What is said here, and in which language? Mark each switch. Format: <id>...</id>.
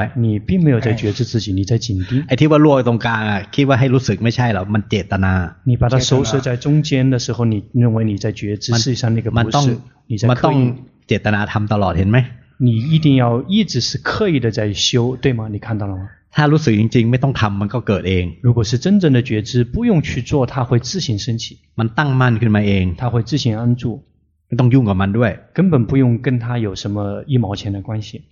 <zh>你并没有在觉知自己你在紧盯</zh> <th>ไอ้ที่ว่าลวกตรงกลางอ่ะคิดว่าให้รู้สึกไม่ใช่หรอมันเจตนา</th> <zh>你把它收摄在中间的时候你认为你在觉知事实上那个不是</zh> <th>มันต้องเจตนาทำตลอดเห็นไหม</th> <zh>你一定要一直是刻意的在修对吗你看到了吗</zh> <th>ถ้ารู้สึกจริงๆไม่ต้องทำมันก็เกิดเอง</th> <zh>如果是真正的觉知不用去做它会自行升起</zh> <th>มันตั้งมั่นขึ้นมาเอง</th> <zh>它会自行安住</zh> <th>ไม่ต้องยุ่งกับมันด้วย</th> <zh>根本不用跟它有什么一毛钱的关系</zh>